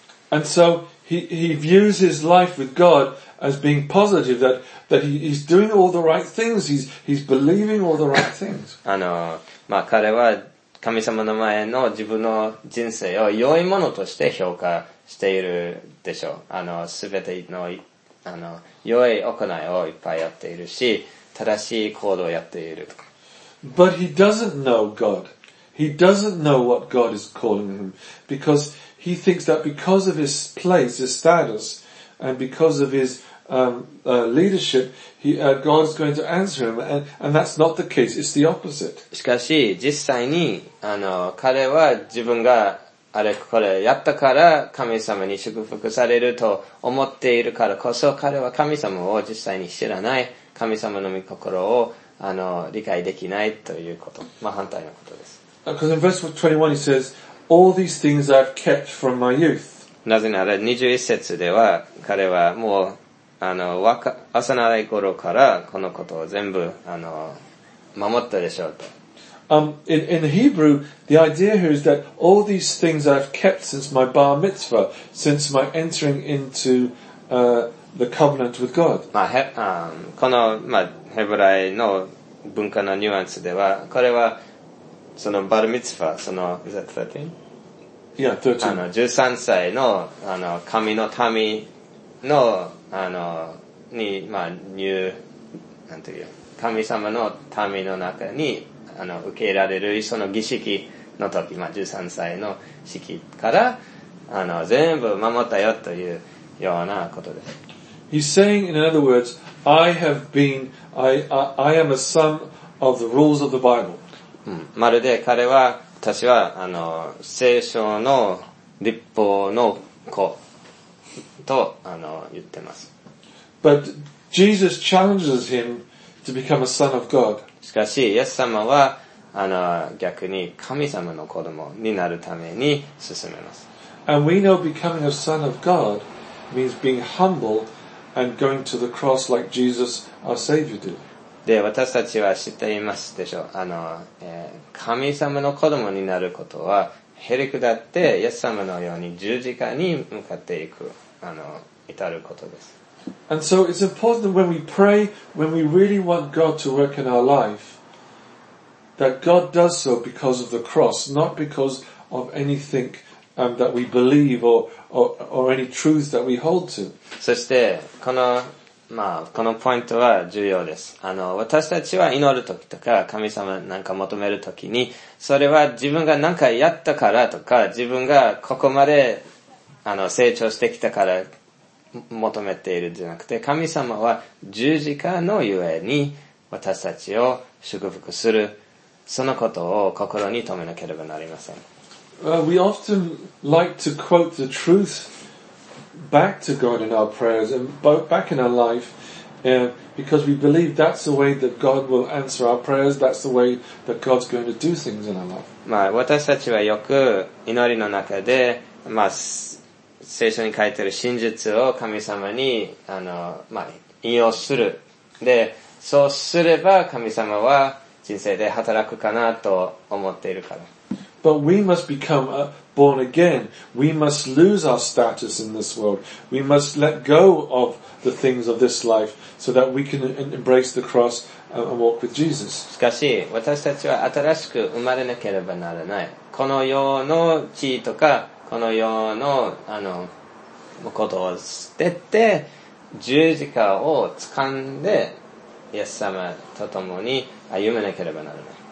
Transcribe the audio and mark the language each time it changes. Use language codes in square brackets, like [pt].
[en] And so he views his life with God as being positive that he's doing all the right things he's believing all the right things [ja] あのまあ彼は神様の前の自分の人生を良いものとして評価しているでしょうあのすべてのあの良い行いをいっぱいやっているし正しい行動をやっているとか [en] But he doesn't know God. He doesn't know what God is calling him. Because he thinks that because of his place, his status, and because of his leadership, God is going to answer him. And that's not the case. It's the opposite. [ja] しかし、実際に、あの、彼は自分があれこれやったから神様に祝福されると思っているからこそ、彼は神様を実際に知らない。神様の御心をあの、理解できないということ。まあ、反対のことです。 [en] Because in verse 21 he says, all these things I've kept from my youth. [ja] なぜなら21節では彼はもう、あの、幼い頃からこのことを全部、あの、守ったでしょうと。 [en] In Hebrew, the idea here is that all these things I've kept since my bar mitzvah, since my entering into, the covenant with God. [ja] まあ、この、まあ、ヘブライの文化のニュアンスでは、これは、そのバルミツファ、その、 [en] is that 13? Yeah, 13. [ja] あの、13歳の、あの、神の民の、あの、に、まあ、入、なんていう、神様の民の中に、あの、受け入れられる、その儀式の時、まあ、13歳の式から、あの、全部守ったよというようなことです。 [en] He's saying, in other words, I have been, I am a son of the rules of the Bible. [ja] うん、まるで彼は、私は、あの、聖書の立法の子と、あの、言ってます。 [en] But Jesus challenges him to become a son of God. [ja] しかし、イエス様は、あの、逆に神様の子供になるために進めます。 [en] And we know becoming a son of God means being humble and going to the cross like Jesus, our Savior, did. [ja] で、私たちは知っていますでしょう。あの、神様の子供になることは、へりくだって、イエス様のように十字架に向かっていく、あの、至ることです。 [en] And so it's important that when we pray, when we really want God to work in our life, that God does so because of the cross, not because of anything、that we believe or any truth that we hold to. [ja] そして、この、まあ、このポイントは重要です。あの、私たちは祈るときとか、神様なんか求めるときに、それは自分が何かやったからとか、自分がここまで、あの、成長してきたから求めているんじゃなくて、神様は十字架のゆえに、私たちを祝福する、そのことを心に留めなければなりません。 [en] We often like to quote the truthback to God in our prayers and back in our life, because we believe that's the way that God will answer our prayers, that's the way that God's going to do things in our life. [ja] まあ、私たちはよく祈りの中で、まあ、聖書に書いてある真実を神様に、あの、まあ、引用する。で、そうすれば神様は人生で働くかなと思っているから。 [en] But we must become born again. We must lose our status in this world. We must let go of the things of this life so that we can embrace the cross and walk with Jesus. [ja] しかし、私たちは新しく生まれなければならない。この世の地位とか、この世の、あの、ことを捨てて、十字架を掴んで、イエス様と共に歩めなければならない。